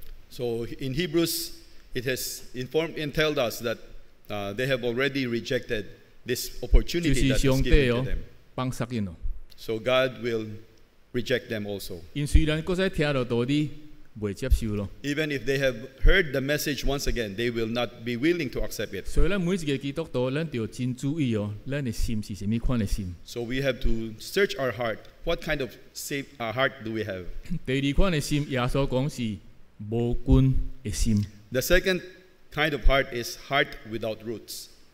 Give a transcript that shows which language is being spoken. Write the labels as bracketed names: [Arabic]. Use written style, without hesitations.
[English] So in Hebrews, it has informed and told us that they have already rejected this opportunity that is given to them. [Min Nan Chinese] 帮助他们哦, [English] so God will reject them also. [Min Nan Chinese] 因虽然还在听到道理，未接受咯, [English] even if they have heard the message once again, they will not be willing to accept it. [Min Nan Chinese] 所以我们每一个基督徒，我们要真注意哦，我们的心是什么款的心。 [English] So we have to search our heart. What kind of safe heart do we have? [Min Nan Chinese] 第二款的心，耶稣讲是 [English] The second kind of heart is heart without roots.